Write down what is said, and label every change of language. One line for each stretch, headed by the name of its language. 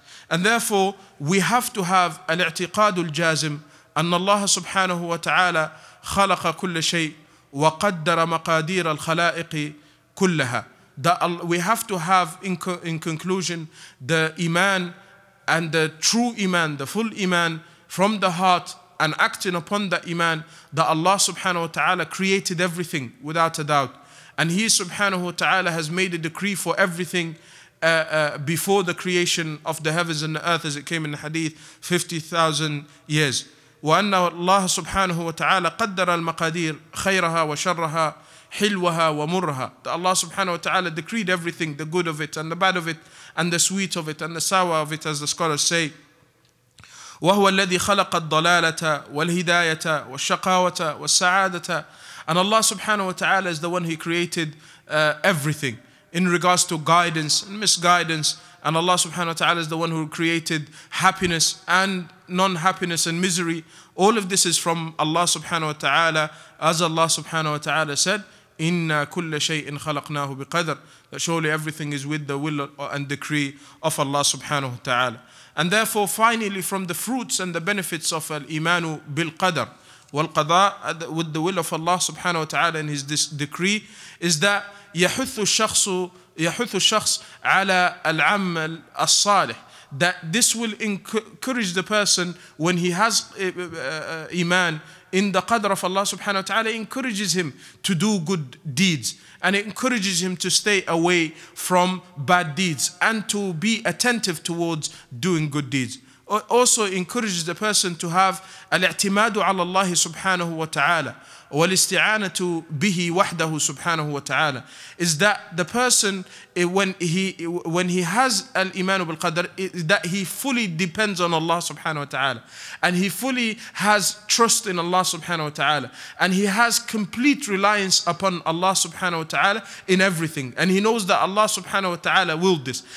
English: And therefore, we have to have al-i'tiqadul jazim,
Arabic: أن الله سبحانه وتعالى خلق كل شيء وقدر مقادير الخلائق كلها.
English: We have to have in conclusion the iman and the true iman, the full iman from the heart, and acting upon that iman, that Allah سبحانه وتعالى created everything without a doubt, and He سبحانه وتعالى has made a decree for everything before the creation of the heavens and the earth, as it came in the hadith, 50,000 years.
Arabic: وأن الله سبحانه وتعالى قدر المقادير خيرها وشرها حلوها ومرها.
English: That Allah سبحانه وتعالى decreed everything, the good of it and the bad of it and the sweet of it and the sour of it, as the scholars say.
Arabic: وهو الذي خلق الضلالة والهداية والشقاوة والسعادة.
English: And Allah سبحانه وتعالى is the one who created everything in regards to guidance and misguidance. And Allah subhanahu wa ta'ala is the one who created happiness and non-happiness and misery. All of this is from Allah subhanahu wa ta'ala. As Allah subhanahu wa ta'ala said, inna kulla shay'in khalaqnahu biqadr. That surely everything is with the will and decree of Allah subhanahu wa ta'ala. And therefore, finally, from the fruits and the benefits of al-imanu bil-qadr, wal-qada, with the will of Allah subhanahu wa ta'ala in His decree, is that yahuthu shakhsu,
Arabic: يحث الشخص على العمل الصالح.
English: That this will encourage the person when he has iman in the qadr of Allah subhanahu wa ta'ala, encourages him to do good deeds, and it encourages him to stay away from bad deeds and to be attentive towards doing good deeds. Also encourages the person to have
Arabic: الاعتماد على الله سبحانه وتعالى والاستعانة به وحده سبحانه وتعالى.
English: Is that the person, when he has al-iman bil-qadr, that he fully depends on Allah subhanahu wa ta'ala, and he fully has trust in Allah subhanahu wa ta'ala, and he has complete reliance upon Allah subhanahu wa ta'ala in everything, and he knows that Allah subhanahu wa ta'ala willed this.